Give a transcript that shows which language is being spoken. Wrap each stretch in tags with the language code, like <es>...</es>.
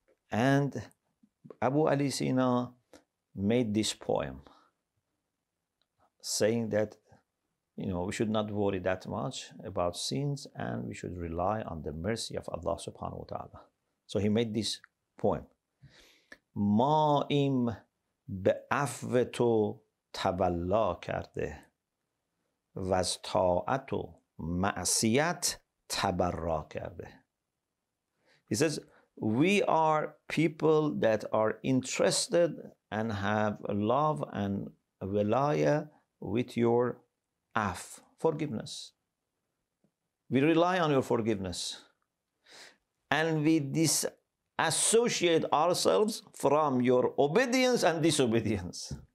<en>And Abu Ali Sina made this poem saying that, you know, we should not worry that much about sins and we should rely on the mercy of Allah subhanahu wa ta'ala. So he made this poem.</en> <fa>ماییم به عفو تو تولا کرده و از طاعت و معصیت تبرا کرده.</fa> <en>He says, we are people that are interested and have love and velaya with your af, forgiveness. We rely on your forgiveness. And we disassociate ourselves from your obedience and disobedience.</en>